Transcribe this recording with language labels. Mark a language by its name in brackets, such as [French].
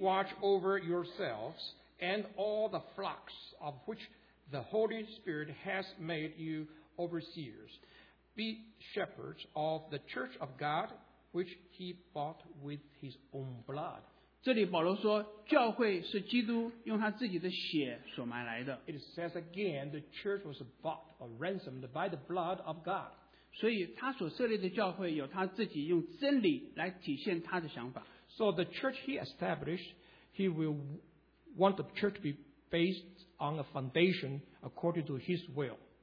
[English] watch over yourselves and all the flocks of which the Holy Spirit has made you overseers. Be shepherds of the church of God, which he bought with his own blood. [Chinese] 这里保罗说，教会是基督用他自己的血所买来的。 [English] It says again, the church was bought or ransomed by the blood of God. [Chinese] 所以他所设立的教会有他自己用真理来体现他的想法。 [English] So the church he established, he will want the church to be based on a foundation according to his will.